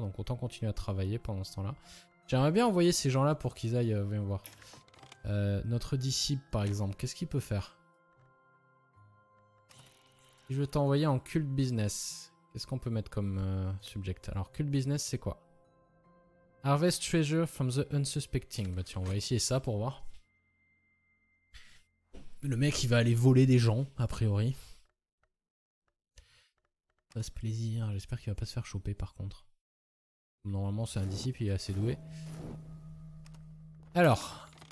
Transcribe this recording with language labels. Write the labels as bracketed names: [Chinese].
[French] Donc, autant continuer à travailler pendant ce temps-là. J'aimerais bien envoyer ces gens-là pour qu'ils aillent, viens voir. Notre disciple, par exemple, qu'est-ce qu'il peut faire? Si je veux t'envoyer en cult business, qu'est-ce qu'on peut mettre comme subject? Alors, cult business, c'est quoi? [English] Harvest treasure from the unsuspecting. [French] Bah tiens, on va essayer ça pour voir. Le mec, il va aller voler des gens, a priori. Ça se plaisir. J'espère qu'il va pas se faire choper, par contre. Normalement, c'est un disciple, il est assez doué. Alors.